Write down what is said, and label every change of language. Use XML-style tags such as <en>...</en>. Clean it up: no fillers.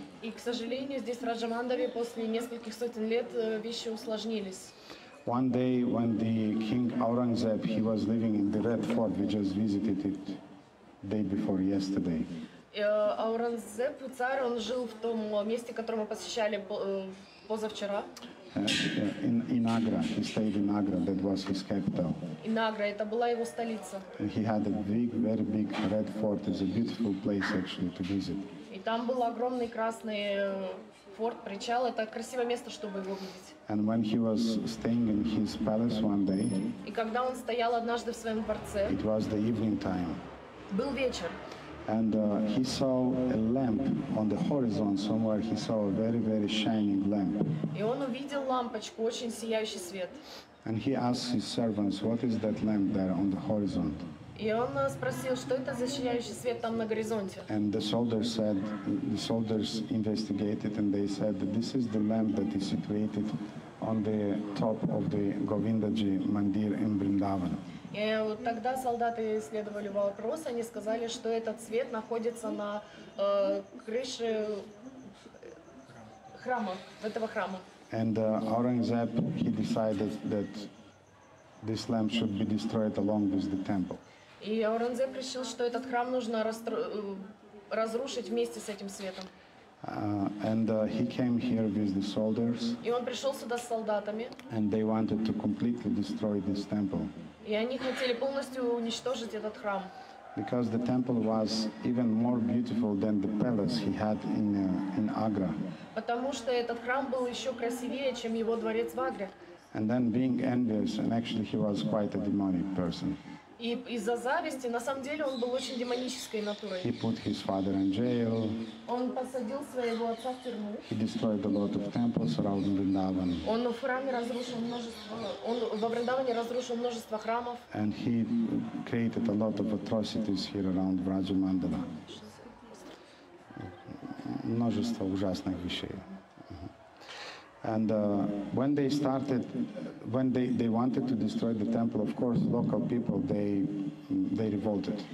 <ru>И, к сожалению, здесь в Раджамандале после нескольких сотен лет вещи усложнились.</ru> <en>One day, when the king Aurangzeb, he was living in the Red Fort, we just visited it day before yesterday.</en> <ru>Аурангзеб, царь, он жил в том месте, которое мы посещали позавчера.</ru> <en>In Agra, he stayed in Agra, that was his capital. In Agra,</en> <ru>это была его столица.</ru> <en>And he had a big, very big red fort. It's a beautiful place actually to visit.</en> <ru>И там был огромный красный форт, причал. Это красивое место, чтобы его видеть.</ru> <en>And when he was staying in his palace one day,</en> <ru>и когда он стоял однажды в своем дворце,</ru> <en>it was the evening time.</en> <ru>Был вечер.</ru> <en>And he saw a lamp on the horizon somewhere. He saw a very, very shining lamp.</en> <ru>И он увидел лампочку, очень сияющий свет.</ru> <en>And he asked his servants, "What is that lamp there on the horizon?"</en> <ru>И он спросил, что это за сияющий свет там на горизонте.</ru> <en>And the soldiers investigated, and they said that this is the lamp that is situated on the top of the Govindaji Mandir in Vrindavan.</en> <ru>И вот тогда солдаты исследовали вопрос, они сказали, что этот свет находится на крыше храма, этого храма.</ru> <en>And Aurangzeb, he decided that this lamp should be destroyed along with the temple.</en> <ru>И Аурангзеб решил, что этот храм нужно разрушить вместе с этим светом.</ru> <en>He came here with the soldiers.</en> <ru>И он пришел сюда с солдатами.</ru> <en>And they wanted to completely destroy this temple.</en> <ru>И они хотели полностью уничтожить этот храм.</ru> <en>Because the temple was even more beautiful than the palace he had in Agra.</en> <ru>Потому что этот храм был еще красивее, чем его дворец в Агре.</ru> <en>And then being envious, and actually he was quite a demonic person.</en> <ru>И из-за зависти, на самом деле, он был очень демонической натурой.</ru> <en>He put his father in jail.</en> <ru>Он посадил своего отца в тюрьму.</ru> <en>He destroyed a lot of temples around Vrindavan.</en> <ru>Он в храме разрушил множество, он во Вриндаване разрушил множество храмов.</ru> <en>And he created a lot of atrocities here around Vrajamandala.</en> <ru>Множество ужасных вещей.</ru> <en>And when they started, when they wanted to destroy the temple, of course, local people they revolted.</en>